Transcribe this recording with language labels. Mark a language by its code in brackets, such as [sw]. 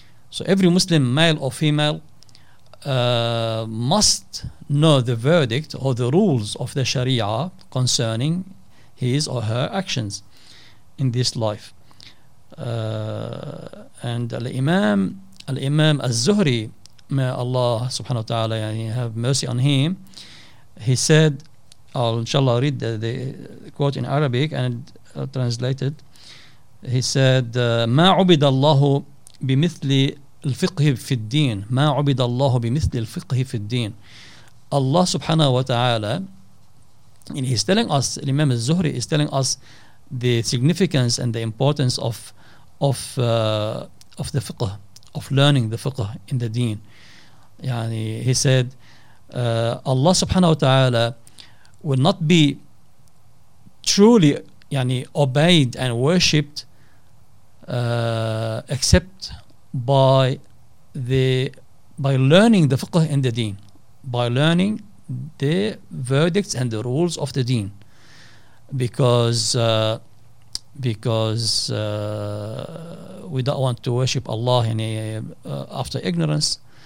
[en] So every Muslim, male or female, must know the verdict or the rules of the Sharia concerning his or her actions in this life. And Al-Imam Al-Zuhri, may Allah subhanahu wa ta'ala have mercy on him, he said, I'll inshallah read the quote in Arabic and translated. He said, [ar] مَا عُبِدَ اللَّهُ بِمِثْلِ الفقه في الدين ما عبد الله بمثل الفقه في الدين. [en] Allah subhanahu wa ta'ala, and he's telling us, Imam al-Zuhri is telling us the significance and the importance of the fiqh, of learning the fiqh in the deen. Yani he said, Allah subhanahu wa ta'ala will not be truly yani obeyed and worshipped except by learning the fiqh in the deen, by learning the verdicts and the rules of the deen, because we don't want to worship Allah after ignorance.